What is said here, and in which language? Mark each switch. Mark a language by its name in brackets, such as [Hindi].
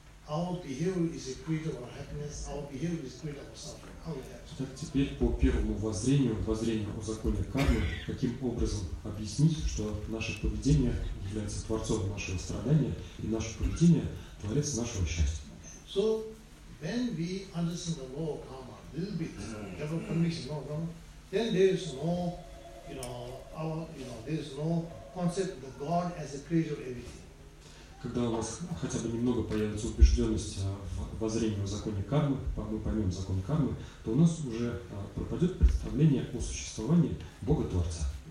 [English] Our behavior is a creator of our happiness. Our behavior is a creator of our suffering. How we have. [Russian] Так теперь по первому воззрению, воззрению о законе кармы, каким образом объяснить, что наше поведение является творцом нашего страдания и наше поведение творец нашего счастья? [English] So when we understand the law of karma, little bit, have a conviction, no karma, then there is no, there is no concept of God as a creator of everything. [Russian] Когда у нас хотя бы немного появится убежденность в воззрении о законе кармы, мы поймем закон кармы, то у нас уже пропадет представление о существовании Бога-творца.